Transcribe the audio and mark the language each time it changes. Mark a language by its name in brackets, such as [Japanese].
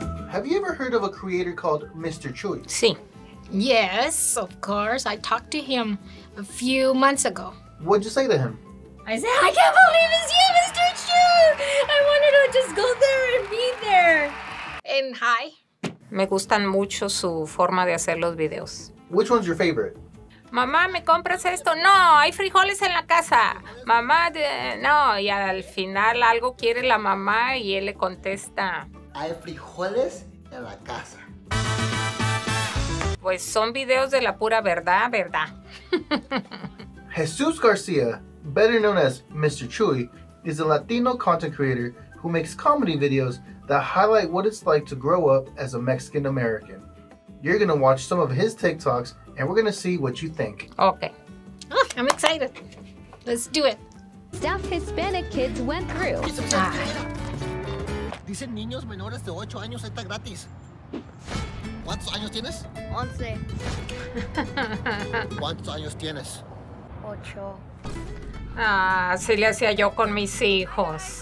[English] Have you ever heard of a creator called Mr. Chuy? [Spanish] Sí. [English] Yes, of course. I talked to him a few months ago. What'd you say to him? I said, I can't believe it's you, Mr. Chuy! I wanted to just go there and be there. And hi. [Spanish] Me gustan mucho su forma de hacer los videos. [English] Which one's your favorite? [Spanish] Mamá, ¿me compras esto? No, hay frijoles en la casa. Mamá, no. Y al final algo quiere la mamá y él le contesta. Hay frijoles en la casa. Pues son videos de la pura verdad, ¿verdad? [English] Jesús García, better known as Mr. Chuy, is a Latino content creator who makes comedy videos that highlight what it's like to grow up as a Mexican American. You're gonna watch some of his TikToks and we're gonna see what you think. Okay. Oh, I'm excited. Let's do it. Stuff Hispanic kids went through. [Spanish] Dicen niños menores de 8 años está gratis. ¿Cuántos años tienes? 11. ¿Cuántos años tienes? 8. Ah, así le hacía yo con mis hijos.